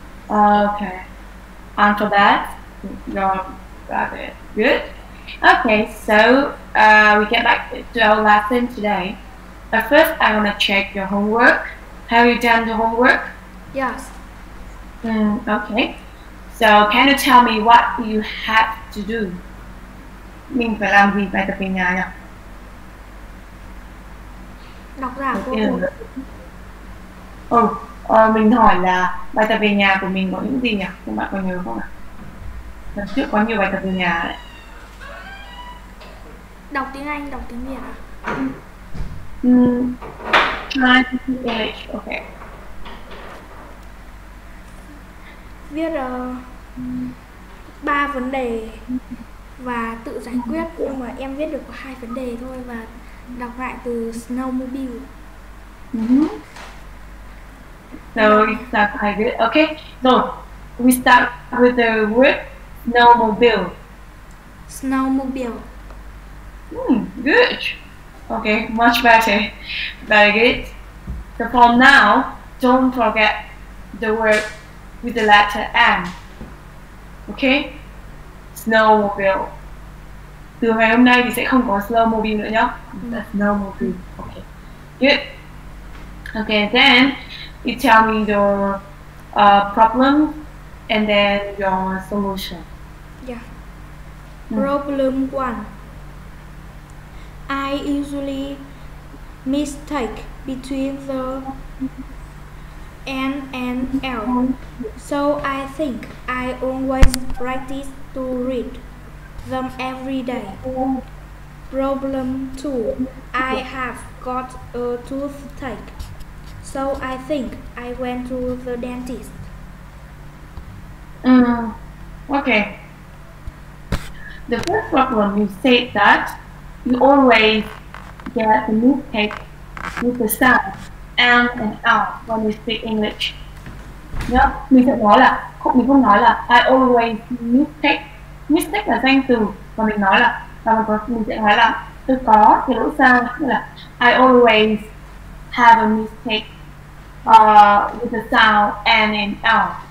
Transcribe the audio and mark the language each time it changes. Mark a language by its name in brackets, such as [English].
[English] Okay. Alphabet, your brother. Good. Okay, so we get back to our lesson today. But first, I want to check your homework. Have you done the homework? Yes. Okay. So can you tell me what you have to do? [Vietnamese] Mình phải làm gì phải tập nhà nhỉ? Đọc ra cô. Ừ, mình hỏi là bài tập về nhà của mình có những gì nhỉ? Các bạn có nhớ không ạ? Lần trước có nhiều bài tập về nhà đấy. Đọc tiếng Anh, đọc tiếng Việt à? [English] Try to speak English, ok. [Vietnamese] Viết ba vấn đề và tự giải quyết, nhưng mà em viết được có hai vấn đề thôi và đọc lại từ snowmobile. [English] So we start with it. Okay. So we start with the word snowmobile. Snowmobile. Good. Okay, much better. Very good. So for now, don't forget the word with the letter M. Okay? Snowmobile. [Vietnamese] Từ ngày hôm nay thì sẽ không có snowmobile nữa nhá. [English] Snowmobile. Okay. Good. Okay, then you tell me your problem and then your solution. Yeah. Problem one. I usually mistake between the N and L. So I think I always practice to read them every day. Problem two. I have got a toothache. So I think I went to the dentist. Okay. The first problem, you said that you always get the mistake with the sound M and L when you speak English. Yep. [Vietnamese] Mình sẽ nói là, mình không nói là [English] I always mistake. [Vietnamese] Mistake là danh từ, và mình nói là, và mình sẽ nói là tôi có cái lỗi sound, là [English] I always have a mistake with the sound N and L.